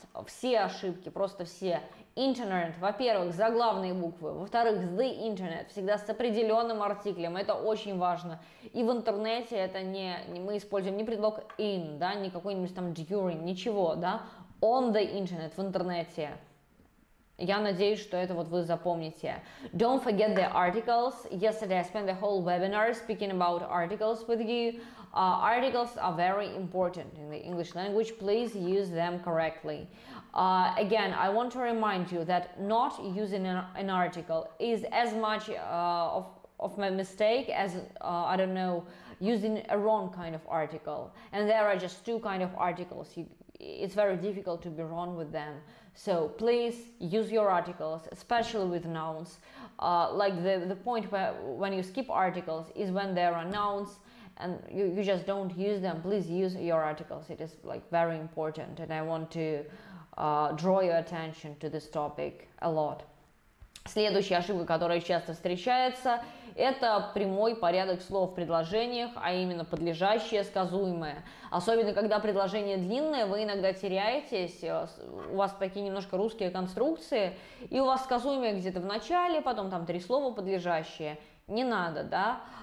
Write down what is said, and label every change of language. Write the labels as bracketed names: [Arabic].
[Russian] все ошибки, просто все. Internet, во-первых, заглавные буквы, во-вторых, the internet, всегда с определенным артиклем, это очень важно. И в интернете это не, мы используем не предлог in, да, не какой-нибудь там during, ничего, да, [English] on the internet, [Russian] в интернете. Я надеюсь, что это вот вы запомните. [English] Don't forget the articles. Yesterday I spent the whole webinar speaking about articles with you. Articles are very important in the English language. Please use them correctly. Again, I want to remind you that not using an article is as much of my mistake as, I don't know, using a wrong kind of article. And there are just two kind of articles. It's very difficult to be wrong with them. So please use your articles, especially with nouns. Like the point where when you skip articles is when there are nouns and you just don't use them. Please use your articles. It is like very important. And I want to draw your attention to this topic a lot. [Russian] Следующая ошибка, которая часто встречается, это прямой порядок слов в предложениях, а именно подлежащее, сказуемое. Особенно, когда предложение длинное, вы иногда теряетесь, у вас такие немножко русские конструкции, и у вас сказуемое где-то в начале, потом там три слова подлежащее. Не надо, да?